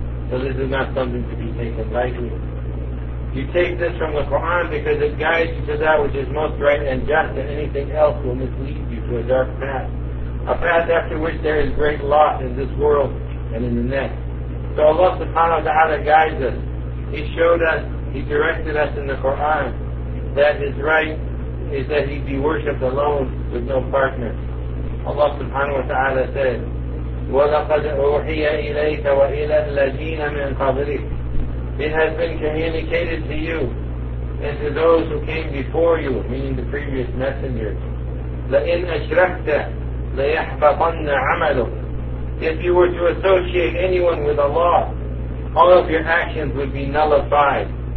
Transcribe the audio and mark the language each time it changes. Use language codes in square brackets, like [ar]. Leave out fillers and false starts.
[en] So this is not something to be taken lightly. You take this from the Quran because it guides you to that which is most right and just, and anything else will mislead you to a dark path. A path after which there is great loss in this world and in the next. So Allah subhanahu wa ta'ala guides us. He showed us, He directed us in the Quran that His right is that He be worshipped alone with no partner. Allah subhanahu wa ta'ala said, [ar] وَلَقَدْ أُوحِيَ إِلَيْكَ وَإِلَى الَّذِينَ مِنْ قَبْلِكَ. [en] It has been communicated to you and to those who came before you, meaning the previous messengers. [ar] لَإِنْ أَشْرَكْتَ لَيَحْبَطَنَّ عَمَلُكَ. [en] If you were to associate anyone with Allah, all of your actions would be nullified.